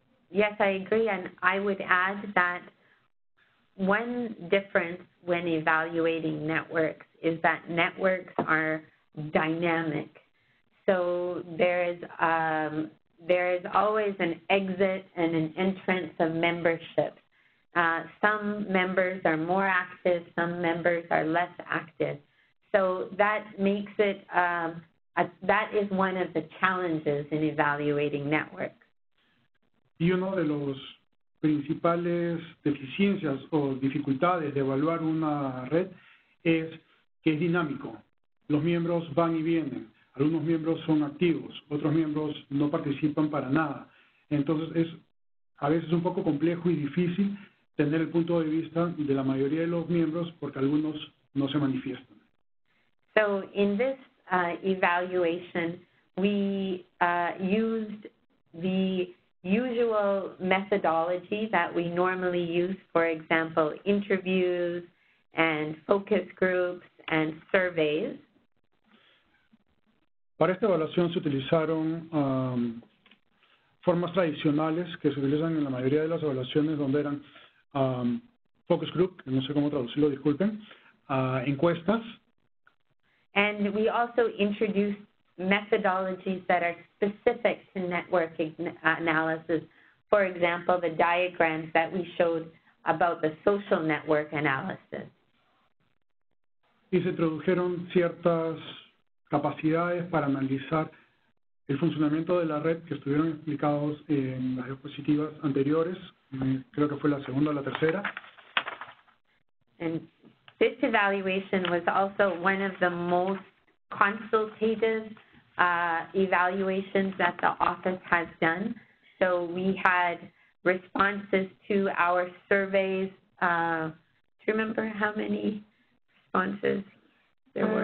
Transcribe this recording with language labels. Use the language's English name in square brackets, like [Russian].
[English] Yes, I agree, and I would add that one difference when evaluating networks is that networks are dynamic. So there is always an exit and an entrance of membership. Some members are more active, some members are less active. So that makes it, that is one of the challenges in evaluating networks. [Spanish] Y uno de los principales deficiencias o dificultades de evaluar una red es que es dinámico. Los miembros van y vienen. Algunos miembros son activos, otros miembros no participan para nada. Entonces es a veces un poco complejo y difícil tener el punto de vista de la mayoría de los miembros porque algunos no se manifiestan. [English] So in this evaluation, we used the usual methodology that we normally use, for example, interviews and focus groups and surveys. [Spanish] Para esta evaluación se utilizaron formas tradicionales que se utilizan en la mayoría de las evaluaciones donde eran focus group, no sé cómo traducirlo, disculpen, encuestas. [English] And we also introduced methodologies that are specific to network analysis, for example, the diagrams that we showed about the social network analysis. [Spanish] Y se introdujeron ciertas capacidades para analizar el funcionamiento de la red que estuvieron explicados en las diapositivas anteriores, creo que fue la segunda o la tercera. [English] And this evaluation was also one of the most consultative evaluations that the office has done. So we had responses to our surveys. Do you remember how many responses there were?